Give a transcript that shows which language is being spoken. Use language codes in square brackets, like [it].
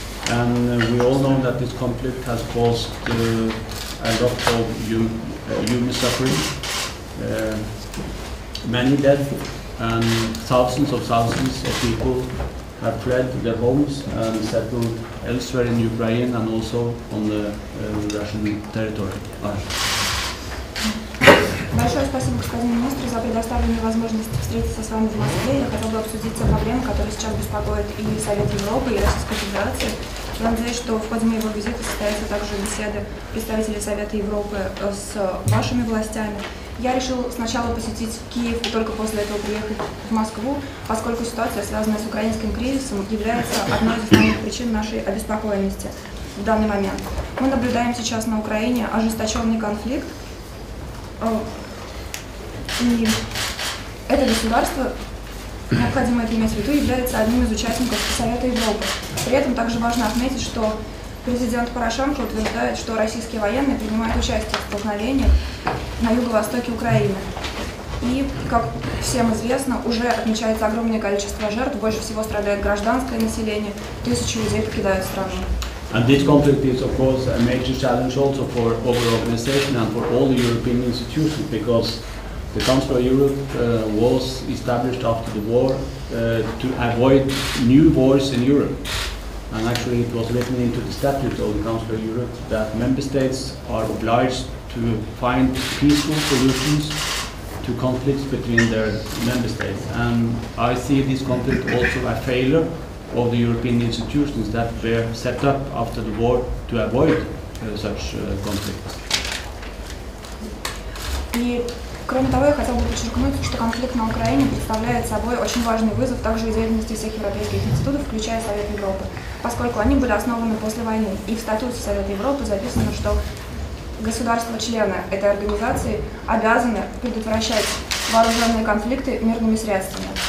[en] And we all know that this conflict has caused a lot of human suffering, many dead, and thousands of people have fled their homes and settled elsewhere in Ukraine and also on the Russian territory. [ru] Большое спасибо, господин министр, за предоставленную возможность встретиться с вами в Москве. Я хотел бы обсудить те проблемы, которые сейчас беспокоят и Совет Европы, и Российскую Федерацию. Я надеюсь, что в ходе моего визита состоятся также беседы представителей Совета Европы с вашими властями. Я решил сначала посетить Киев и только после этого приехать в Москву, поскольку ситуация, связанная с украинским кризисом, является одной из основных причин нашей обеспокоенности в данный момент. Мы наблюдаем сейчас на Украине ожесточенный конфликт. И это государство, необходимо это иметь в виду, является одним из участников Совета Европы. При этом также важно отметить, что президент Порошенко утверждает, что российские военные принимают участие в столкновениях на юго-востоке Украины. И, как всем известно, уже отмечается огромное количество жертв, больше всего страдает гражданское население, тысячи людей покидают страну. [en] And this conflict is, of course, a major challenge also for our organization and for all the European institutions, because the Council of Europe was established after the war to avoid new wars in Europe. And actually, it was written into the statute of the Council of Europe that member states are obliged to find peaceful solutions to conflicts between their member states. And I see this conflict also a failure of the European institutions that were set up after the war to avoid such conflicts. [ru] И, кроме того, я хотел бы подчеркнуть, что конфликт на Украине представляет собой очень важный вызов также и деятельности всех европейских институтов, включая Совет Европы, поскольку они были основаны после войны, и в статуте Совета Европы записано, что государства-члены этой организации обязаны предотвращать вооруженные конфликты мирными средствами.